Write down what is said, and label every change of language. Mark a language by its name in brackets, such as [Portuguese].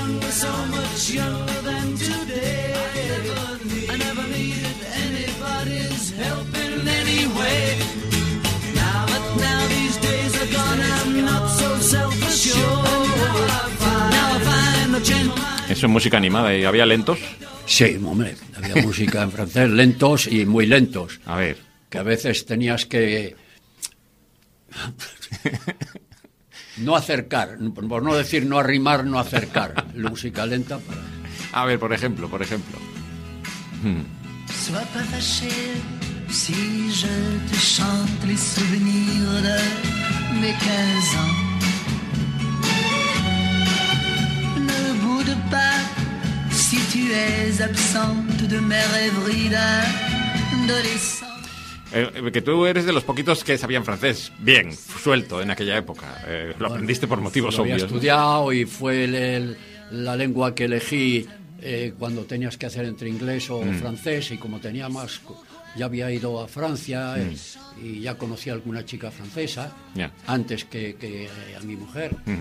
[English] So much younger than today, I never needed anybody's help in any way. Now these days are gone, I'm not so self-assured. Now I find the gentleman. [Spanish] Eso es música animada, ¿y había lentos? Sí, hombre, había música en francés, lentos y muy lentos. A ver. Que a veces tenías que... No acercar, por no decir no arrimar, no acercar. La música lenta. A ver, por ejemplo. [French] Sois pas fâché si je te chante les souvenirs de mes 15 ans. Ne boude pas si tu es absente de mes rêveries d'adolescence. [Spanish] Que tú eres de los poquitos que sabían francés bien, suelto en aquella época. Lo aprendiste por motivos obvios. Lo había estudiado y fue la lengua que elegí cuando tenías que hacer entre inglés o francés. Y como tenía más, ya había ido a Francia y ya conocí a alguna chica francesa antes que a mi mujer.